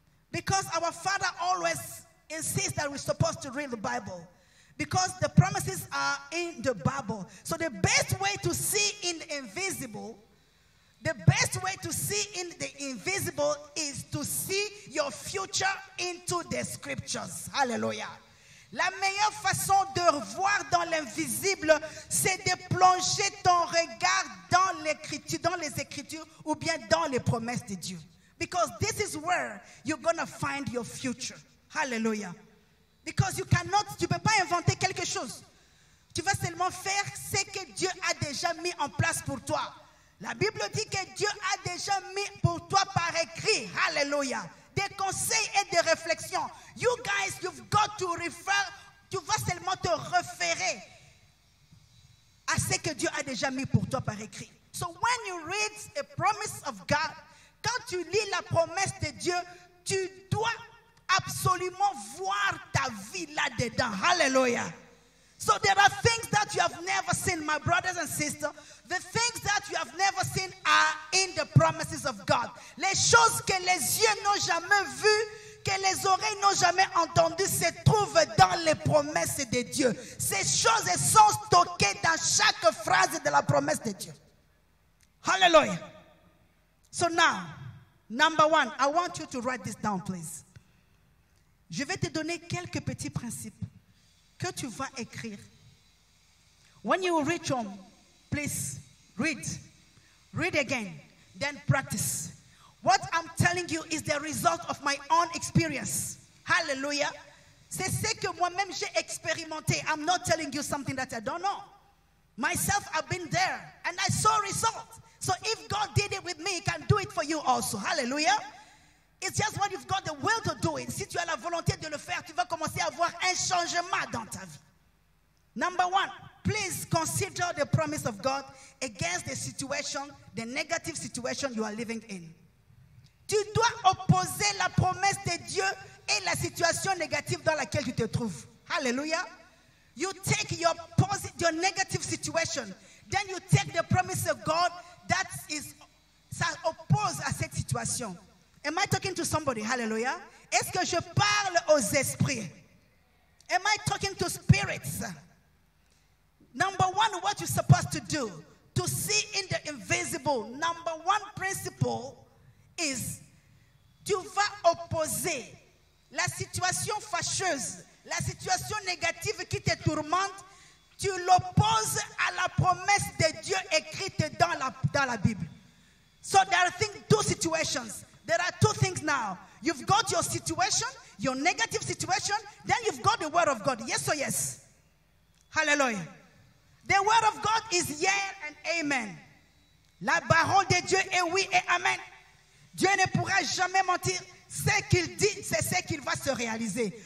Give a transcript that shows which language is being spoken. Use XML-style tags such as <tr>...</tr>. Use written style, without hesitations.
<en>Because our Father always insists that we're supposed to read the Bible. Because the promises are in the Bible. So the best way to see in the invisible, the best way to see in the invisible is to see your future into the scriptures. Hallelujah.</en> <fr>La meilleure façon de voir dans l'invisible, c'est de plonger ton regard dans l'écriture, dans les écritures ou bien dans les promesses de Dieu.</fr> <en>Because this is where you're going to find your future.</en> <fr>Hallelujah.</fr> <en>Because you cannot,</en> <fr>tu ne peux pas inventer quelque chose. Tu vas seulement faire ce que Dieu a déjà mis en place pour toi. La Bible dit que Dieu a déjà mis pour toi par écrit. Hallelujah. Des conseils et des réflexions.</fr> <en>You guys, you've got to refer,</en> <fr>tu vas seulement te référer à ce que Dieu a déjà mis pour toi par écrit.</fr> <en>So when you read a promise of God,</en> <fr>quand tu lis la promesse de Dieu, tu dois absolument voir ta vie là-dedans. Hallelujah.</fr> <en>So there are things that you have never seen, my brothers and sisters. The things that you have never seen are in the promises of God.</en> <fr>Les choses que les yeux n'ont jamais vues, que les oreilles n'ont jamais entendues, se trouvent dans les promesses de Dieu. Ces choses sont stockées dans chaque phrase de la promesse de Dieu.</fr> <en>Hallelujah. So now, number one, I want you to write this down, please.</en> <fr>Je vais te donner quelques petits principes que tu vas écrire.</fr> <en>When you reach home, please read. Read again, then practice. What I'm telling you is the result of my own experience. Hallelujah.</en> <fr>C'est ce que moi-même j'ai expérimenté.</fr> <en>I'm not telling you something that I don't know. Myself, I've been there and I saw results. So if God did it with me, he can do it for you also. Hallelujah. It's just what you've got the will to do it.</en> <fr>Si tu as la volonté de le faire, tu vas commencer à avoir un changement dans ta vie.</fr> <en>Number one, please consider the promise of God against the situation, the negative situation you are living in.</en> <fr>Tu dois opposer la promesse de Dieu et la situation négative dans laquelle tu te trouves.</fr> <en>Hallelujah. You take your negative situation, then you take the promise of God that is,</en> <fr>ça oppose à cette situation.</fr> <en>Am I talking to somebody? Hallelujah.</en> <fr>Est-ce que je parle aux esprits?</fr> <en>Am I talking to spirits? Number one, what you're supposed to do to see in the invisible, number one principle is</en> <fr>tu vas opposer la situation fâcheuse, La situation négative qui te tourmente, tu l'opposes à la promesse de Dieu écrite dans la Bible.</fr> <en>So there are two situations. There are two things now. You've got your situation, your negative situation, then you've got the word of God. Yes or yes? Hallelujah. The word of God is yes and amen.</en> <fr>La parole de Dieu est oui et amen. Dieu ne pourra jamais mentir. Ce qu'il dit, c'est ce qu'il va se réaliser.</fr>